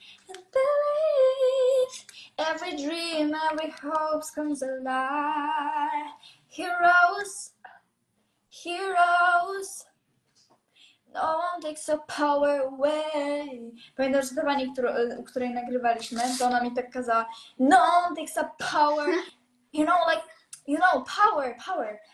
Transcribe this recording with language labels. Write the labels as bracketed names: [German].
[English] And believe every dream, every hope comes alive. Heroes, heroes. No one takes a power away. [Polish] Pamiętam, że ta pani, której nagrywaliśmy, to ona mi tak kazała. [English] No one takes a power. You know, like, you know, power, power.